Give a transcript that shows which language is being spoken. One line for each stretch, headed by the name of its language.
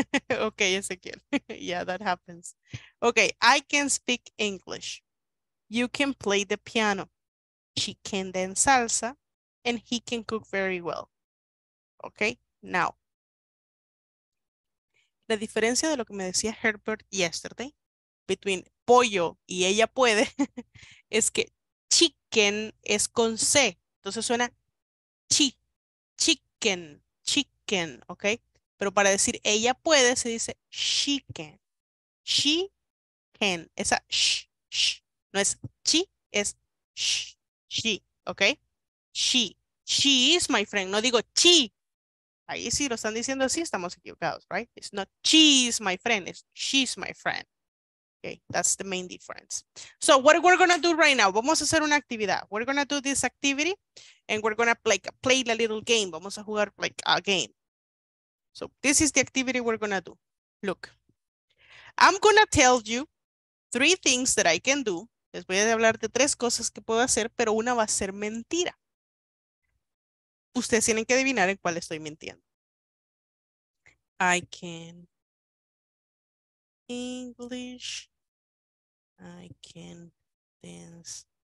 English: Okay, Ezequiel. Yeah, that happens. Okay, I can speak English. You can play the piano. She can dance salsa. And he can cook very well. Okay, now.
Spanish: la diferencia de lo que me decía Herbert yesterday, between pollo y ella puede, es que chicken es con C. Entonces suena chi, chicken, chicken, ¿ok? Pero para decir ella puede, se dice she can. She can. Esa sh, sh. No es chi, es sh, she, ¿ok?
English: She, she is my friend.
Spanish: No digo chi. Ahí sí lo están diciendo así, estamos equivocados, right?
English: It's not she is my friend, it's she's my friend. Okay, that's the main difference. So what we're gonna do right now,
Spanish: vamos a hacer una actividad.
English: We're gonna do this activity and we're gonna play, play the little game.
Spanish: Vamos a jugar
English: like a game. So this is the activity we're gonna do. Look, I'm gonna tell you three things that I can do.
Spanish: Les voy a hablar de tres cosas que puedo hacer, pero una va a ser mentira. Ustedes tienen que adivinar en cuál estoy mintiendo.
English: I can English. I can dance.